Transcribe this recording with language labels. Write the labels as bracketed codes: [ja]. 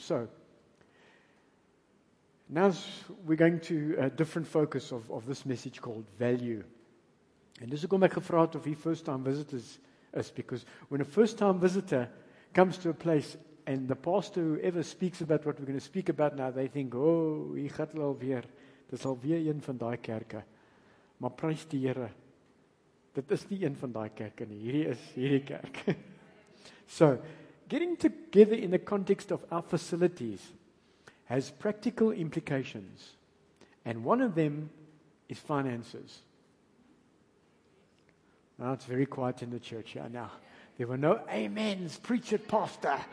[en] So, now we're going to a different focus of this message called value. And this is going to make a fraud of your first-time visitors, is because when a first-time visitor comes to a place and the pastor who ever speaks about what we're going to speak about now, they think, [af] oh, hier gaat hulle alweer. Dit is alweer een van die kerke. Maar prijs die Heere. Dit is nie een van die kerke nie. Hierdie is hierdie kerk. [en] So, getting together in the context of our facilities has practical implications. And one of them is finances. Now, it's very quiet in the church here now. There were no amens, preach it, pastor.